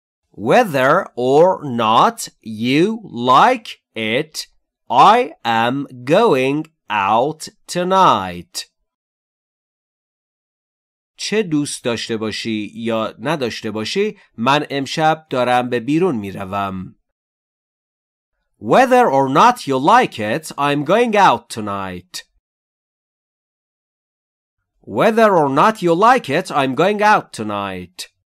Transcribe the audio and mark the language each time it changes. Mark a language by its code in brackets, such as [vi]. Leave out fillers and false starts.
[en] Whether or not you like it, I am going out tonight. [fa] چه دوست داشته باشی یا نداشته باشی من امشب دارم به بیرون می روم. [en] Whether or not you like it, I'm going out tonight. Whether or not you like it, I'm going out tonight.